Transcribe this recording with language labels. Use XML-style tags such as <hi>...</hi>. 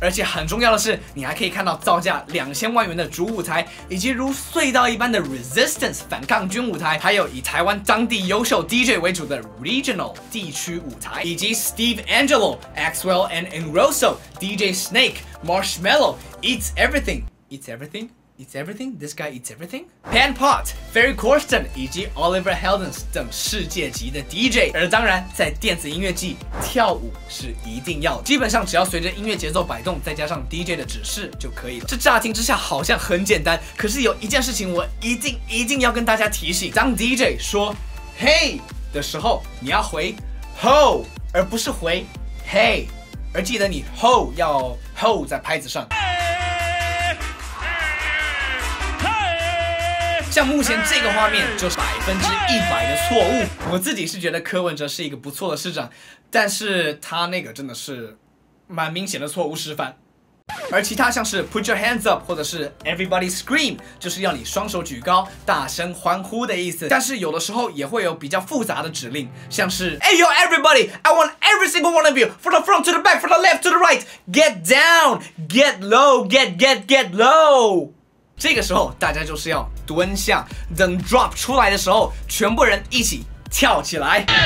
<zh>而且很重要的是，你还可以看到造价2000万元的主舞台，以及如隧道一般的 Resistance 反抗军舞台，还有以台湾当地优秀 DJ 为主的 Regional 地区舞台，以及 Steve Angelo、Axwell and Engrosso、DJ Snake、Marshmallow、Eats Everything、Eats Everything。</zh> <en>Eats everything? This guy eats everything?</en> <zh>Pan Pot, Ferry Corsten 以及 Oliver Heldens 等世界级的 DJ。而当然在电子音乐季跳舞是一定要的，基本上只要随着音乐节奏摆动再加上 DJ 的指示就可以了。这乍听之下好像很简单，可是有一件事情我一定要跟大家提醒，当 DJ 说 Hey 的时候，你要回 Ho 而不是回 Hey， 而记得你 Ho 要 Ho 在拍子上。像目前这个画面就是100%的错误。我自己是觉得柯文哲是一个不错的市长，但是他那个真的是蛮明显的错误示范。而其他像是</zh> <en>Put your hands up</en> <zh>或者是</zh> <en>Everybody scream，</en> <zh>就是要你双手举高大声欢呼的意思。但是有的时候也会有比较复杂的指令，像是</zh> <en>Hey yo everybody， I want every single one of you from the front to the back from the left to the right， Get down， Get low， Get low。</en> <zh>这个时候大家就是要蹲下，等 drop 出来的时候全部人一起跳起来。</zh>